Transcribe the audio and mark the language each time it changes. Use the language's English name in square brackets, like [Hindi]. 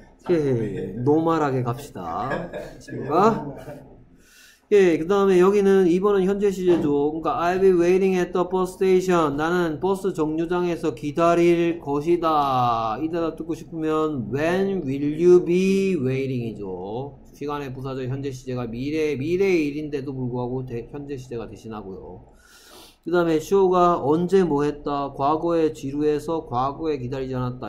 [Korean] 예, 노말하게 갑시다. 친구가. 예, 그 다음에 여기는 2번은 현재 시제죠. 그러니까 [English] I'll be waiting at the bus station. [Korean] 나는 버스 정류장에서 기다릴 것이다. 이 대답 듣고 싶으면 [English] When will you be waiting [Korean] 이죠. 시간의 부사죠. 현재 시제가 미래의 일인데도 불구하고 현재 시제가 대신하고요. 그 다음에 쇼가 언제 뭐 했다. 과거에 지루해서 과거에 기다리지 않았다.